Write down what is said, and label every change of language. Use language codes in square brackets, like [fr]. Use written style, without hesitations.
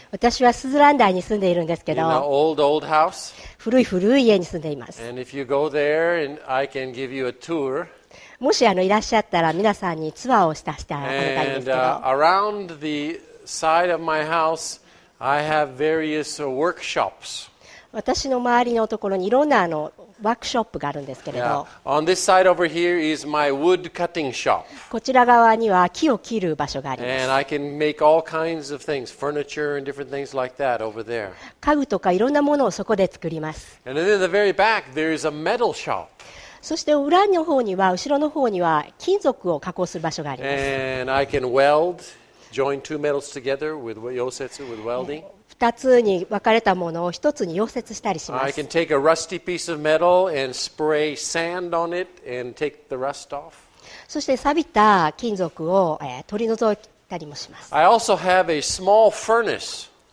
[ja] 私はスズランダイに住んでいるんですけど、 [en] in an old, old house. [ja] 古い古い家に住んでいます。 [en] And if you go there, and I can give you a tour. [ja] もしいらっしゃったら皆さんにツアーをしたしてあげたいんですけど、 [en] and around the side of my house, I have various workshops. [ja] 私の周りのところにいろんなワークショップがあるんですけれど、 [en] yeah. On this side over here is my wood cutting shop. [ja] こちら側には木を切る場所があります。 [en] And I can make all kinds of things, furniture and different things like that over there. [ja] 家具とかいろんなものをそこで作ります。 [en] And then in the very back, there is a metal shop. [ja] そして裏の方には、後ろの方には金属を加工する場所があります。 [en] And I can weld, join two metals together with yosetsu with welding. [ja] 2つに分かれたものを1つに溶接したりします。 [en] I can take a rusty piece of metal and spray sand on it and take the rust off. [ja] そして錆びた金属を取り除いたりもします。 [en] I also have a small furnace.